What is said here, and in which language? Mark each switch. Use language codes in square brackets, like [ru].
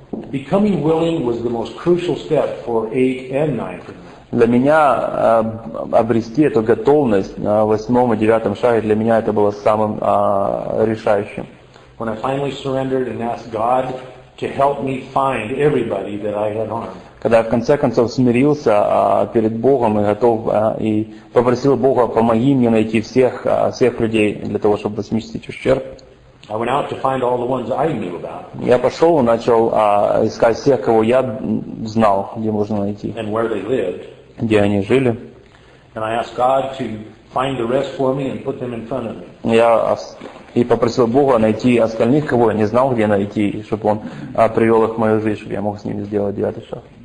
[en] Becoming willing was the most crucial step for 8 and 9. [ru] Для меня обрести эту готовность на восьмом и девятом шаге, для меня это было самым решающим. [en] When I finally surrendered and asked God to help me find everybody that I had harmed. [ru] Когда я в конце концов смирился перед Богом и готов и попросил Бога, помоги мне найти всех людей для того, чтобы возместить ущерб. [en] I went out to find all the ones I knew about. [ru] Я пошел и начал искать всех, кого я знал, где можно найти. [en] And where they lived. [ru] Где они жили. [en] And I asked God to find the rest for me and put them in front of me. [ru] И попросил Бога найти остальных, кого я не знал, где найти, чтобы Он привел их в мою жизнь, чтобы я мог с ними сделать девятый шаг.